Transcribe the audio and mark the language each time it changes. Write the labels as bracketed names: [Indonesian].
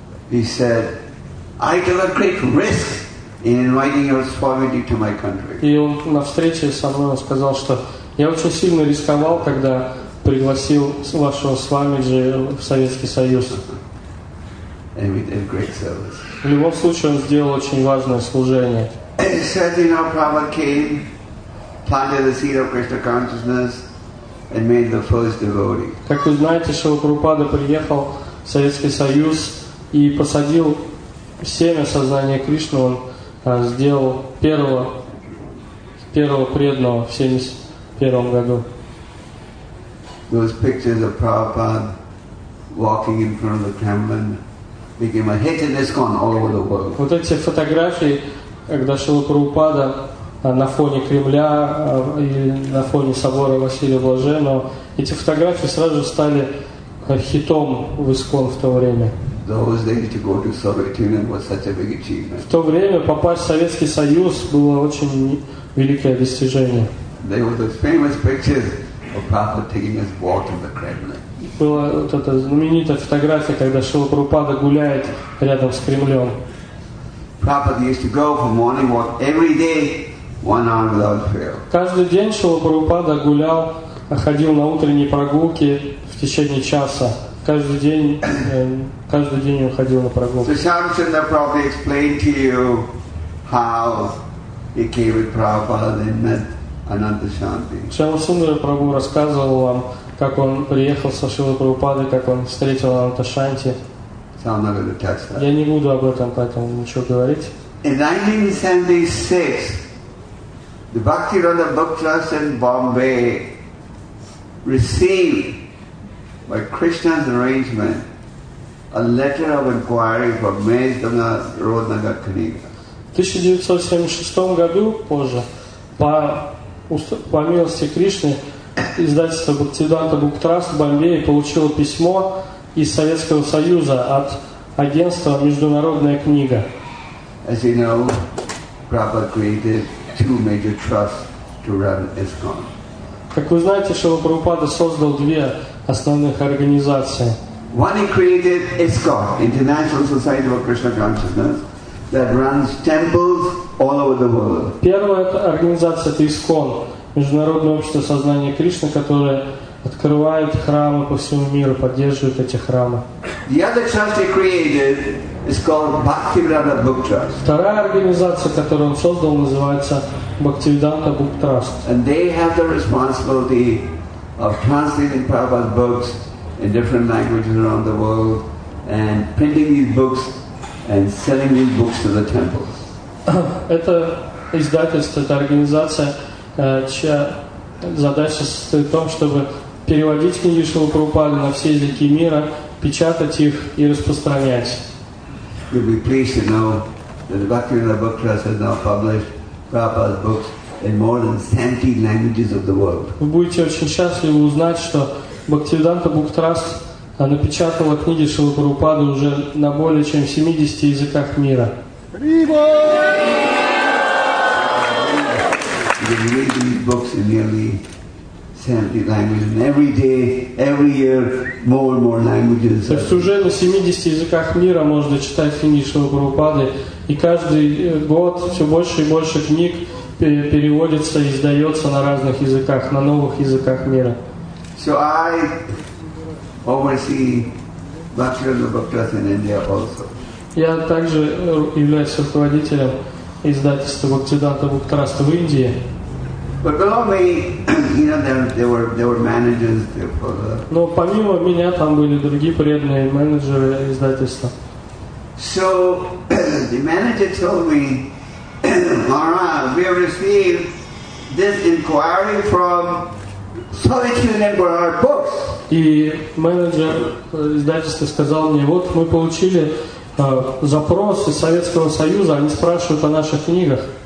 [English] He said, I took a great risk in inviting your Swamiji to my country. [Russian] И он на встрече со мной сказал, что я очень сильно рисковал, когда пригласил вашего Свамиджи в Советский Союз. [English] And we did great service. [Russian] В любом случае, он сделал очень важное служение. [English] And he said, you know, Prabhupada came, planted the seed of Krishna consciousness, and made the first devotee. [Russian] Как вы знаете, Шрила Прабхупада приехал в Советский Союз и посадил семя сознания Кришны. Он сделал первого преданного в 71 году. [English] Those pictures of Prabhupada walking in front of the Kremlin became a hit in ISKCON all over the world. [Russian] Вот эти фотографии, когда Шрила Прабхупада на фоне Кремля и на фоне собора Василия Блаженного, эти фотографии сразу же стали хитом в ИСКОН в то время. [English] Those days to go to Soviet Union was such a big achievement. [Russian] В то время попасть в Советский Союз было очень великое достижение. [English] There were those famous pictures of Prabhupada taking his walk in the Kremlin. [Russian] Была вот эта знаменитая фотография, когда Шрила Прабхупада гуляет рядом с Кремлем. [English] Prabhupada used to go for morning walk every day. One hour without fail. [Russian] Каждый день Шрила Прабхупада гулял, ходил на утренние прогулки в течение часа. Каждый день он ходил на прогулки. [English] So Shamsundar probably explained to you how he came with Prabhupada and met Ananda Shanti. [Russian] Shamsundar Prabhu рассказывал вам, как он приехал со Шрилой Прабхупадой, как он встретил Ананда Шанти. [English] So I'm not going to touch that. [Russian] Я не буду об этом поэтому ничего говорить. [English] In 1976, the Bhaktivedanta Book Trust in Bombay received, by Krishna's arrangement, a letter of inquiry from Mahesh Gopinath Rodnagar Kaniga. [Russian] В 1976 году, позже, по по милости Кришны, издательство Бхактисиддханта Буктраст в Бомбее получило письмо из Советского Союза от агентства «Международная книга». [English] As you know, Prabhupada created two major trusts to run ISKCON. [Russian] Как вы знаете, Шрила Прабхупада создал две основных организации. [English] One he created ISKCON, International Society of Krishna Consciousness, that runs temples all over the world. [Russian] Первая организация — это ISKCON, Международное общество сознания Кришны, которое открывает храмы по всему миру, поддерживает эти храмы. [English] The other trust he created is called Bhaktivedanta Book Trust. [Russian] Вторая организация, которую он создал, называется Bhaktivedanta Book Trust. [English] And they have the responsibility of translating Prabhupada's books in different languages around the world and printing these books and selling these books to the temples. [Russian] Это издательство, это организация, чья задача состоит в том, чтобы переводить книги Шрилы Прабхупады на все языки мира, печатать их и распространять. [English] You'll be pleased to know that the Bhaktivedanta Book Trust has now published Prabhupada's books in more than 70 languages of the world. [Russian] Вы будете очень счастливы узнать, что Бхактивиданта Бук Траст напечатала книги Шрилы Прабхупады уже на более чем 70 языках мира. [English] We read these books in nearly 70 languages, and every day, every year, more and more languages. [Russian] То есть уже на 70 языках мира можно читать книги Шрилы Прабхупады, и каждый год все больше и больше книг переводится и издается на разных языках, на новых языках мира. [English] So I oversee Bhaktivedanta Book Trust in India also. [Russian] Я также являюсь руководителем издательства Бхактивиданта Бук Траста в Индии. [English] But below me, you know, there were managers there for the. [Russian] Но помимо меня там были другие преданные менеджеры издательства. [English] So the manager told me, Maharaj, we have received this inquiry from Solitude Emperor Books. [Russian] И менеджер издательства сказал мне, вот мы получили запрос из Советского Союза, они спрашивают о наших книгах.